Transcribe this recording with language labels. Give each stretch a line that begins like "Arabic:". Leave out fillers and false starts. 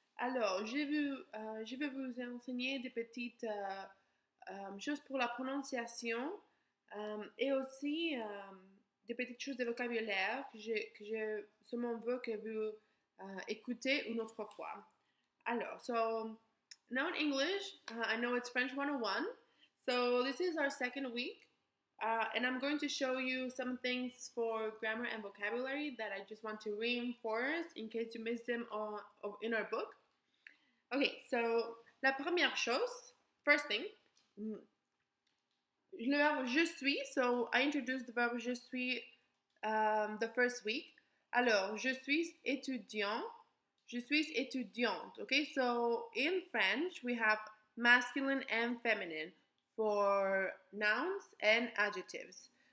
French: Alors, je vais vous enseigner des petites choses pour la prononciation et aussi des petites choses de vocabulaire que je seulement veux que vous écoutez une autre fois.
English: Alors, Now in English, I know it's French 101. So this is our second week, and I'm going to show you some things for grammar and vocabulary that I just want to reinforce in case you miss them in our book. Okay, so
French: la première chose,
English: first thing,
French: le verbe je suis.
English: So I introduced the verb je suis the first week.
French: Alors, je suis étudiant. Je suis étudiante.
English: Okay, so in French we have masculine and feminine for nouns and adjectives.